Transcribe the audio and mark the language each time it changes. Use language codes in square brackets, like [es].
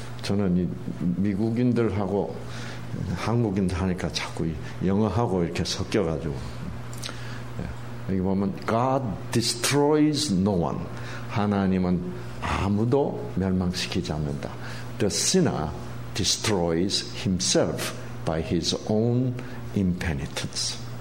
[ko] 저는 이 미국인들하고 한국인들 하니까 자꾸 영어하고 이렇게 섞여가지고. 여기 보면 [en] God destroys no one. [ko] 하나님은 아무도 멸망시키지 않는다. [en] The sinner destroys himself by his own impenitence.